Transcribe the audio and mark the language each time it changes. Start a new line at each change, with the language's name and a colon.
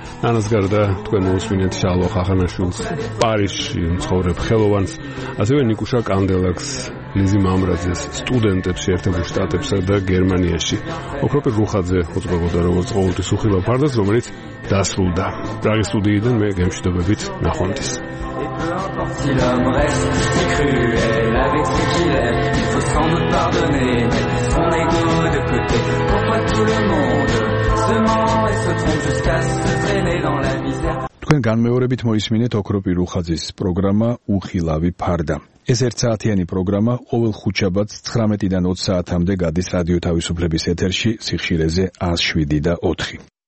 Georgian: ნანას გარდა თქვენ მოუსმინეთ შალვა ხახანაშვილს, პარიზში მცხოვრებ ხელოვანს, ასევე ნიკუშა კანდელაკს, ლიზი მამრაძეს, სტუდენტებს შეერთებულ შტატებსა და გერმანიაში. ოქროპირ რუხაძე უძღვებოდა როგორც ყოველთვის უხილავ ფარდას, რომელიც დასრულდა. რაღის სტუდიიდან მე გემშვიდობებით, ნახვამდის.
French: Si l'homme reste si cruel avec ce qu'il aime, il faut sans doute pardonner, mettre son ego de côté. Pourquoi tout le monde se ment et se trompe jusqu'à se traîner dans la misère?
Georgian: თქვენ განმეორებით მოისმინეთ ოქროპირ უხაძის პროგრამა უხილავი ფარდა. ეს 1-საათიანი პროგრამა ყოველ ხუთშაბათს 19-დან 20 საათამდე გადის რადიო თავისუფლების ეთერში სიხშირეზე 107.4.